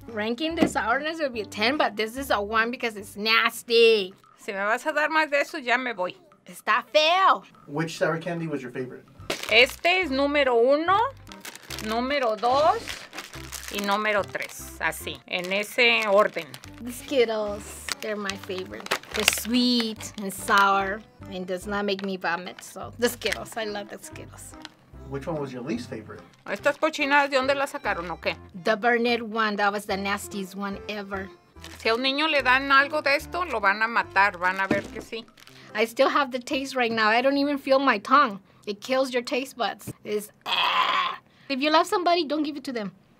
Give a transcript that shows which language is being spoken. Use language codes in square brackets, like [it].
[en] Ranking the sourness would be a 10, but this is a 1 because it's nasty. [es] Si me vas a dar más de eso, ya me voy. Está feo. [en] Which sour candy was your favorite? [es] Este es número 1, número 2, y número 3. Así, en ese orden. [en] The Skittles, they're my favorite. They're sweet and sour and does not make me vomit. So, the Skittles, I love the Skittles. Which one was your least favorite? [es] Estas cochinadas, ¿de dónde las sacaron o qué? [en] The Burnett one, that was the nastiest one ever. [es] Si a un niño le dan algo de esto, lo van a matar, van a ver que sí. [en] I still have the taste right now. I don't even feel my tongue. It kills your taste buds. It's If you love somebody, don't give it to them.